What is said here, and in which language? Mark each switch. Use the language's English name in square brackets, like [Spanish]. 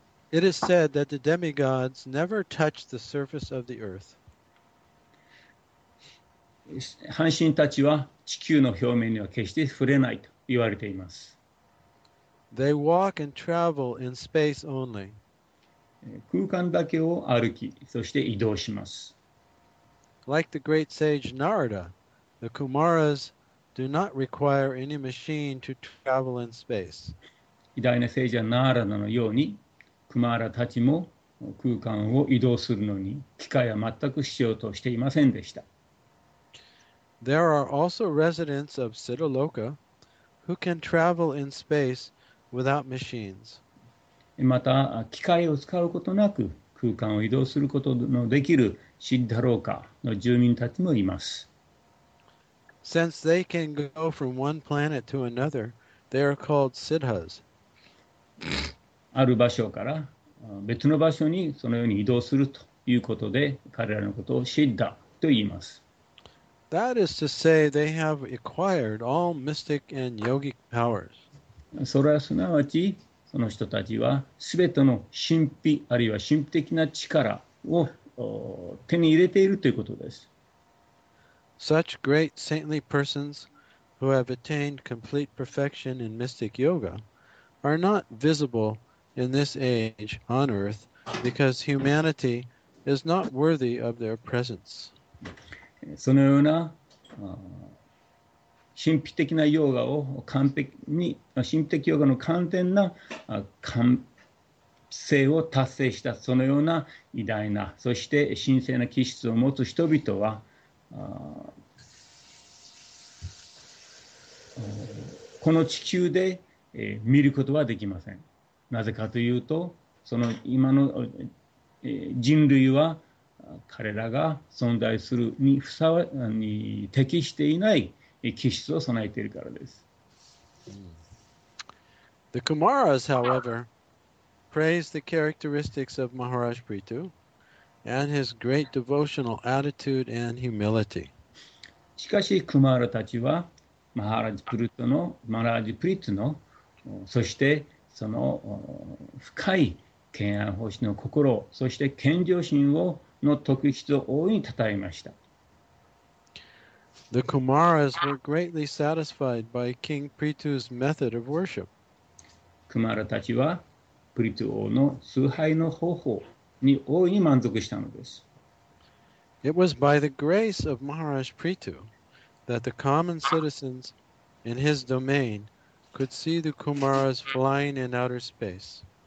[English] It is said that the demigods never touch the surface of the earth. [Japanese] 半神たちは地球の表面には決して触れないと言われています。 [English] They walk and travel in space only. [Japanese] 空間だけを歩き、そして移動します。 [English] Like the great sage Narada, the Kumaras do not require any machine to travel in space. [Japanese] 偉大な聖者ナーラダのように、クマラたちも空間を移動するのに機械は全く必要としていませんでした。 [English] There are also residents of Siddhaloka who can travel in space without machines. [Japanese] また、機械を使うことなく空間を移動することのできるシッダローカの住民たちもいます。 [English] Since they can go from one planet to another, they are called Siddhas. [Japanese] ある場所から別の場所にそのように移動するということで、彼らのことをシッダと言います。 [English] That is to say, they have acquired all mystic and yogic powers. [Japanese] それはすなわち、その人たちはすべての神秘あるいは神秘的な力を手に入れているということです。 [English] Such great saintly persons who have attained complete perfection in mystic yoga are not visible in this age on earth because humanity is not worthy of their presence. [Japanese] そのような神秘的なヨガを完璧に神秘的ヨガの完全な完成を達成したそのような偉大なそして神聖な気質を持つ人々は この地球で見ることはできません。なぜかというとその今の人類は彼らが存在するにふさわに適していない気質を備えているからです。 [English] The Kumaras, however, praise the characteristics of Maharaj Prithu and his great devotional attitude and humility. [Japanese] しかし、クマラたちはマハラジ・プリトのマハラジ・プリトのそしてその深い敬愛奉仕の心そして謙譲心をの特質を大いに称えました。 [English] The Kumaras were greatly satisfied by King Prithu's method of worship. [Japanese] クマラたちはプリトゥ王の崇拝の方法に大いに満足したのです。 [English] It was by the grace of Maharaj Prithu that the common citizens in his domain could see the Kumaras flying in outer space.